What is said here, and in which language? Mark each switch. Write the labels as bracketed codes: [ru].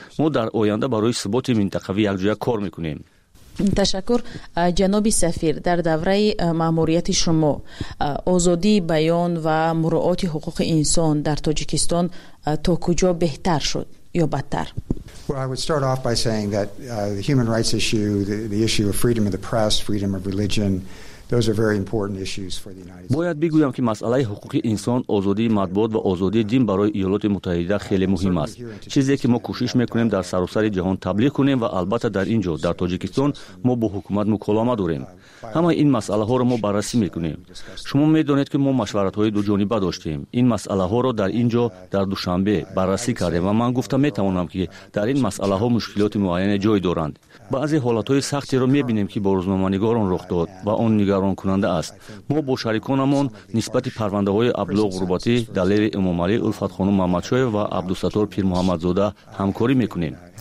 [tg] Мо дар оянда барои суботи минтақавӣ якҷоя кор мекунем. ташаккур ҷаноби сафир дар давраи маъмурияти шумо озодии баён ва муроати ҳуқуқи инсон дар тоҷикистон то куҷо беҳтар шуд ё бадтар [en] I would start off by saying that the human rights issue the issue of freedom of the press freedom of religion those are very important issues for the United States [tg] бояд бигӯям ки масъалаи ҳуқуқи инсон озодии матбуот ва озодии дин барои Иёлоти Муттаҳида хеле муҳим аст чизе ки мо кӯшиш мекунем дар саросари ҷаҳон таблиғ кунем ва албатта дар инҷо дар Тоҷикистон мо бо ҳукумат муколама дорем ҳамаи ин масъалаҳоро мо баррасӣ мекунем шумо медонед ки мо машваратҳои дуҷониба доштем ин масъалаҳоро дар инҷо дар душанбе баррасӣ кардем ва ман гуфта метавонам ки дар ин масъалаҳо мушкилоти муайяне ҷой доранд баъзе ҳолатҳои сахтеро мебинем ки бо рӯзноманигорон рух дод ва он нигаронкунанда аст мо бо шариконамон нисбати парвандаҳои абдулло ғурбатӣ далери эмомалӣ улфатхонум маҳмадшоев ва абдусаттор пирмуҳаммадзода ҳамкорӣ мекунем